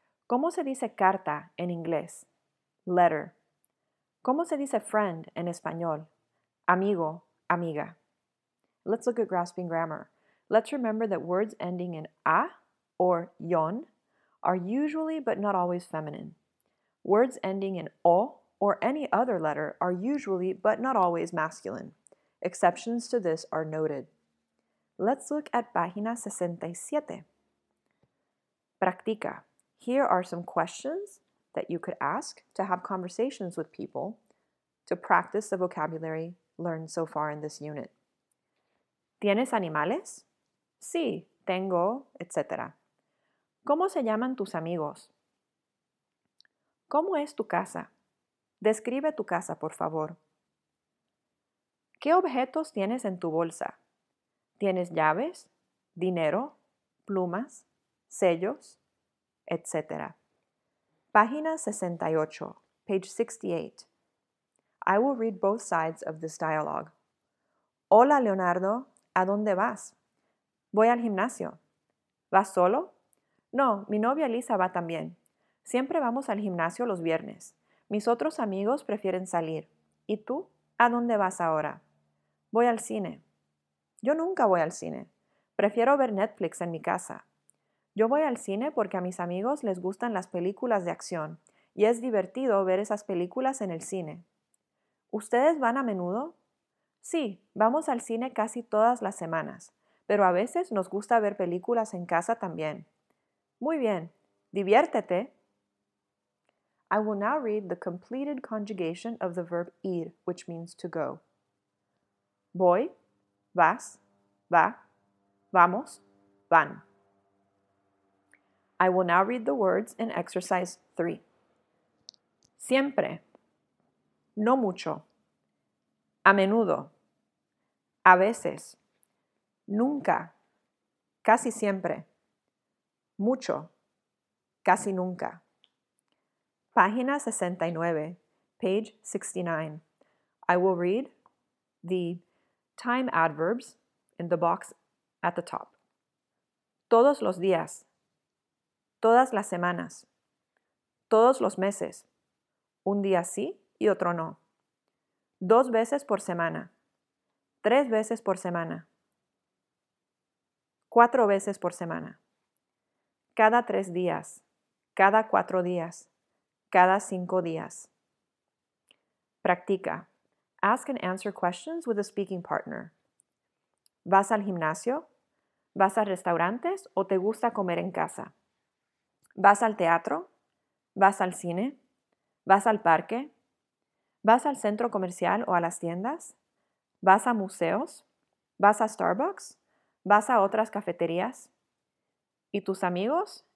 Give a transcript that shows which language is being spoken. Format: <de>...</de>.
<es>¿Cómo se dice carta en inglés? Letter. ¿Cómo se dice friend en español? Amigo, amiga.</es> <en>Let's look at grasping grammar. Let's remember that words ending in a or yon are usually but not always feminine. Words ending in o or any other letter are usually but not always masculine. Exceptions to this are noted. Let's look at página 67. Practica. Here are some questions that you could ask to have conversations with people to practice the vocabulary learned so far in this unit.</en> <es>¿Tienes animales? Sí, tengo, etc. ¿Cómo se llaman tus amigos? ¿Cómo es tu casa? Describe tu casa, por favor. ¿Qué objetos tienes en tu bolsa? ¿Tienes llaves, dinero, plumas, sellos, etc.? Página 68,</es> <en>page 68. I will read both sides of this dialogue.</en> <es>Hola, Leonardo, ¿a dónde vas? Voy al gimnasio. ¿Vas solo? No, mi novia Lisa va también. Siempre vamos al gimnasio los viernes. Mis otros amigos prefieren salir. ¿Y tú? ¿A dónde vas ahora? Voy al cine. Yo nunca voy al cine. Prefiero ver Netflix en mi casa. Yo voy al cine porque a mis amigos les gustan las películas de acción y es divertido ver esas películas en el cine. ¿Ustedes van a menudo? Sí, vamos al cine casi todas las semanas. Pero a veces nos gusta ver películas en casa también. Muy bien. Diviértete.</es> <en>I will now read the completed conjugation of the verb ir, which means to go.</en> <es>Voy, vas, va, vamos, van.</es> <en>I will now read the words in exercise 3.</en> <es>Siempre. No mucho. A menudo. A veces. Nunca, casi siempre. Mucho, casi nunca. Página 69,</es> <en>page 69. I will read the time adverbs in the box at the top.</en> <es>Todos los días. Todas las semanas. Todos los meses. Un día sí y otro no. Dos veces por semana. Tres veces por semana. Cuatro veces por semana. Cada tres días. Cada cuatro días. Cada cinco días. Practica.</es> <en>Ask and answer questions with a speaking partner.</en> <es>¿Vas al gimnasio? ¿Vas a restaurantes o te gusta comer en casa? ¿Vas al teatro? ¿Vas al cine? ¿Vas al parque? ¿Vas al centro comercial o a las tiendas? ¿Vas a museos? ¿Vas a Starbucks? ¿Vas a otras cafeterías? ¿Y tus amigos?</es>